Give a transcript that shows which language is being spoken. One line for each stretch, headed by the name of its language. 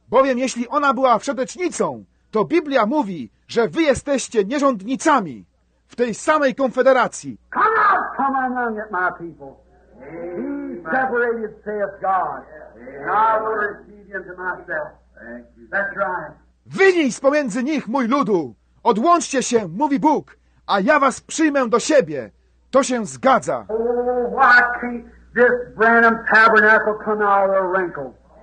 Polish: Bowiem jeśli ona była wszetecznicą, to Biblia mówi, że wy jesteście nierządnicami w tej samej konfederacji.
English: Come out, come among it, my people. Be separated, saith God. And I will receive you to myself. That's right.
Polish: Wynieś pomiędzy nich, mój ludu. Odłączcie się, mówi Bóg, a ja was przyjmę do siebie. To się zgadza.
English: Oh, why can't this Branham tabernacle come out of wrinkles?